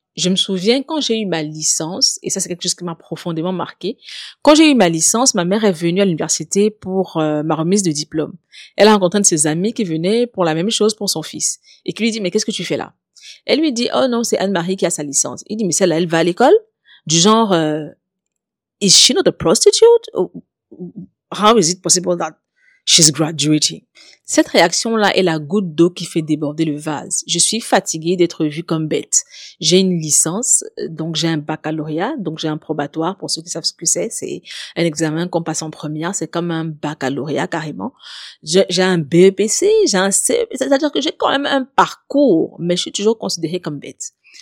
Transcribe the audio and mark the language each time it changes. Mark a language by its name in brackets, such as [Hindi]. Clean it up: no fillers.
[French] Je me souviens quand j'ai eu ma licence, et ça c'est quelque chose qui m'a profondément marqué. Quand j'ai eu ma licence, ma mère est venue à l'université pour ma remise de diplôme. Elle a rencontré un de ses amis qui venait pour la même chose pour son fils. Et qui lui dit, mais qu'est-ce que tu fais là? Elle lui dit, oh non, c'est Anne-Marie qui a sa licence. Il dit, mais celle-là, elle va à l'école? Du genre, [English] is she not a prostitute? How is it possible that she's graduating? [French] Cette réaction-là est la goutte d'eau qui fait déborder le vase. Je suis fatiguée d'être vue comme bête. J'ai une licence, donc j'ai un baccalauréat, donc j'ai un probatoire, pour ceux qui savent ce que c'est un examen qu'on passe en première, c'est comme un baccalauréat carrément. J'ai un BEPC, j'ai un CEP, c'est-à-dire que j'ai quand même un parcours, mais je suis toujours considérée comme bête.